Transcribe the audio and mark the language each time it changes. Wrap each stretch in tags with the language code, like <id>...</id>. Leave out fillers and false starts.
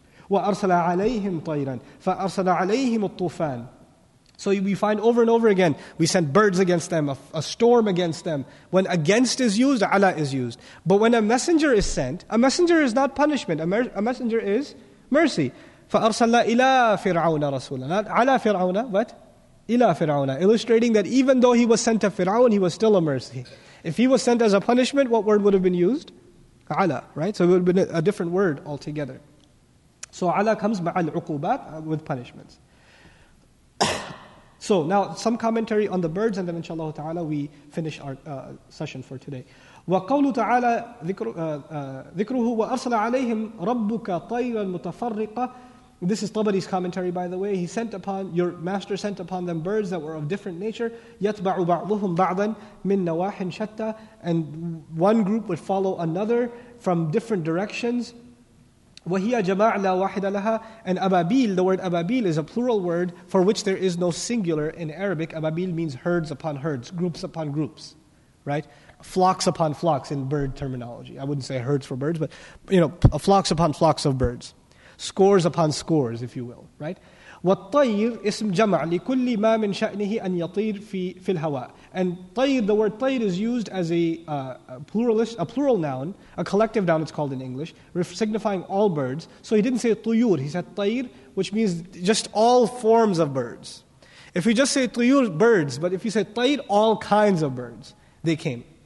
<ar>Wa arsala alayhim tayran, fa arsala alayhim al-tufan.</ar> <en>So we find over and over again, we sent birds against them, a storm against them. When against is used, ala is used. But when a messenger is sent, a messenger is not punishment, a messenger is mercy.</en> <ar>فَأَرْسَلْنَا إِلَىٰ فِرْعَوْنَ رَسُولًا. Not عَلَىٰ فِرْعَوْنَ, but إِلَىٰ فِرْعَوْنَ.</ar> <en>Illustrating that even though he was sent to Fir'aun, he was still a mercy. If he was sent as a punishment, what word would have been used? عَلَىٰ, right? So it would have been a different word altogether. So عَلَىٰ comes</en> <ar>مَعَ الْعُقُوبَاتِ,</ar> <en>with punishments. So now some commentary on the birds, and then inshallah ta'ala we finish our session for today.</en> <ar>وَقَوْلُ تَعَالَى ذِكْرُهُ وَأَرْسَلَ عَلَيْهِمْ رَبُّكَ طَيْرًا مُتَفَرِّقًا.</ar> <en>This is Tabari's commentary, by the way. He sent upon, your master sent upon them birds that were of different nature.</en> <ar>يَتْبَعُ بَعْضُهُمْ بَعْضًا مِنْ نَوَاحٍ شَتَّى.</ar> <en>And one group would follow another from different directions.</en> <ar>وَهِيَ جَمَاعَ لَا وَاحِدَ لَهَا.</ar> <en>And ababil, the word ababil is a plural word for which there is no singular in Arabic. Ababil means herds upon herds, groups upon groups, right? Flocks upon flocks in bird terminology. I wouldn't say herds for birds, but you know, flocks upon flocks of birds. Scores upon scores, if you will, right?</en> <ar>وَالطَّيِّرْ اسم جمع لكل ما من شأنه أن يطير في الهواء.</ar> <en>And طَيِّر, the word طَيِّر is used as a plural noun, a collective noun it's called in English, signifying all birds. So he didn't say طُيُّر, he said طَيِّر, which means just all forms of birds. If you just say طُيُّر, birds, but if you say طَيِّر, all kinds of birds, they came.</en>